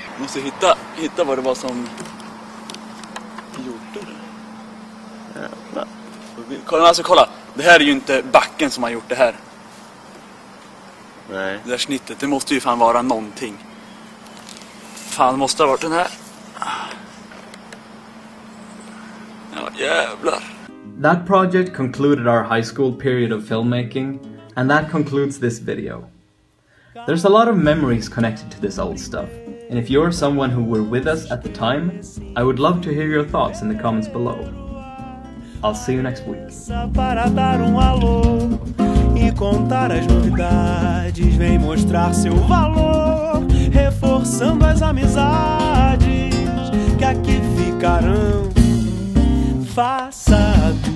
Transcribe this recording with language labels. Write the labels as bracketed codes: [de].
[sv] Måste hitta vad det var som gjorde det. Jävlar. Kolla, alltså kolla. Det här är ju inte backen som har gjort det här. Nej. Det där snittet, det måste ju fan vara någonting. Fan, måste ha varit den här. Jävlar. [en] That project concluded our high school period of filmmaking, and that concludes this video. There's a lot of memories connected to this old stuff, and if you're someone who were with us at the time, I would love to hear your thoughts in the comments below. I'll see you next week. [pt] Para dar alô e contar as novidades, vem mostrar seu valor, reforçando as amizades que aqui ficarão. Faça a